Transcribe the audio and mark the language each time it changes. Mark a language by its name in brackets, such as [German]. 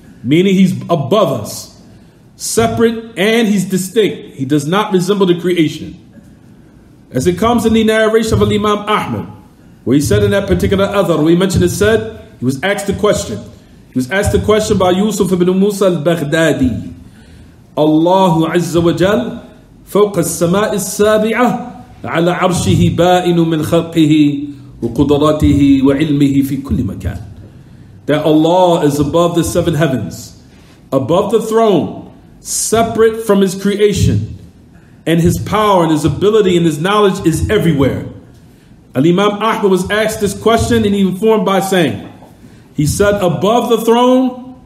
[English] Meaning, he's above us. Separate and he's distinct. He does not resemble the creation. As it comes in the narration of Imam Ahmad, where he said in that particular adhar, we mentioned it said, he was asked the question. He was asked the question by Yusuf ibn Musa al-Baghdadi. [Arabic] Allahu Azza wa Jal فوق السماء السابعة على عرشه بائن من خلقه وقدراته وعلمه في كل مكان. [English] That Allah is above the seven heavens, above the throne, separate from his creation, and his power and his ability and his knowledge is everywhere. Al-Imam Ahmad was asked this question and he informed by saying, he said, above the throne.